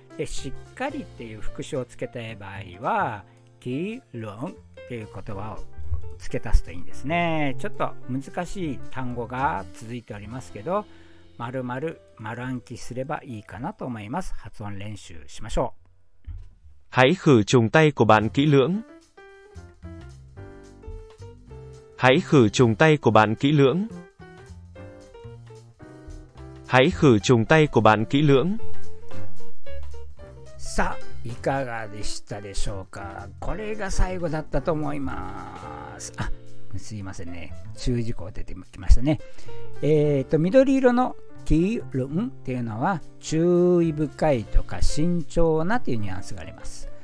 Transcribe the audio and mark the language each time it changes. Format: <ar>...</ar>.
<ja>で、しっかりっていう副詞をつけたい場合は、きろんっていう言葉を付け足すといいんですね。ちょっと難しい単語が続いておりますけど、まるまる丸暗記すればいいかなと思います。発音練習しましょう。</ja> <vi>Hãy khử trùng tay của bạn kỹ lưỡng. Hãy khử trùng tay của bạn kỹ lưỡng. Hãy khử trùng tay của bạn kỹ lưỡng.</vi> <ja>さあ、いかがでしたでしょうか。これが最後だったと思います。あ、すいませんね。注意事項出てきましたね。緑色の黄色っていうのは、注意深いとか慎重なというニュアンスがあります。</ja>